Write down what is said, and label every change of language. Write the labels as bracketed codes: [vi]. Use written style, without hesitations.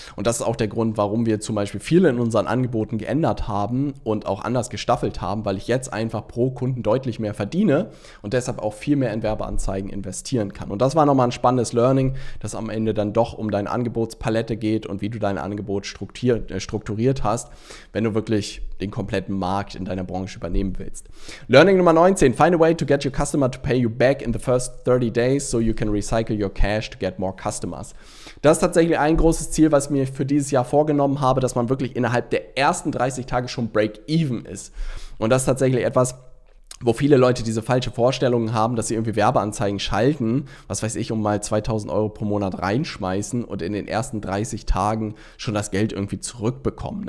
[de] Und das ist auch der Grund, warum wir zum Beispiel viel in unseren Angeboten geändert haben und auch anders gestaffelt haben, weil ich jetzt einfach pro Kunden deutlich mehr verdiene und deshalb auch viel mehr in Werbeanzeigen investieren kann. Und das war nochmal ein spannendes Learning, dass am Ende dann doch um deine Angebotspalette geht und wie du dein Angebot strukturiert hast, wenn du wirklich den kompletten Markt in deiner Branche übernehmen willst. Learning Nummer 19, [en] find a way to get your customer to pay you back in the first 30 days so you can recycle your cash to get more customers. [de] Das ist tatsächlich ein großes Ziel, was ich mir für dieses Jahr vorgenommen habe, dass man wirklich innerhalb der ersten 30 Tage schon break-even ist. Und das ist tatsächlich etwas, wo viele Leute diese falsche Vorstellung haben, dass sie irgendwie Werbeanzeigen schalten, was weiß ich, um mal 2.000 Euro pro Monat reinschmeißen und in den ersten 30 Tagen schon das Geld irgendwie zurückbekommen.